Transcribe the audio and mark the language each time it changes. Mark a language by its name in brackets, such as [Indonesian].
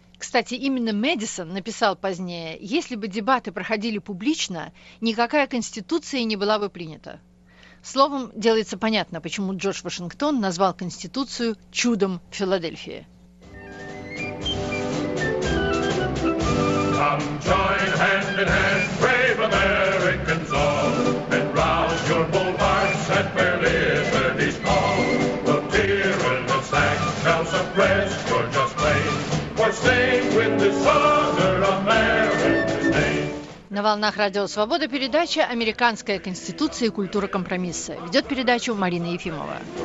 [Russian] Кстати, именно Мэдисон написал позднее, если бы дебаты проходили публично, никакая Конституция не была бы принята. Словом, делается понятно, почему Джордж Вашингтон назвал Конституцию «чудом Филадельфии». [English] Come join hand in hand, brave Americans all, and rouse your bold hearts at their liberty's call. The tyrannous act shall suppress your just claim, for stained with dishonor America's name. [Russian] волнах радио «Свобода» передача «Американская конституция и культура компромисса». Ведет передачу Марина Ефимова.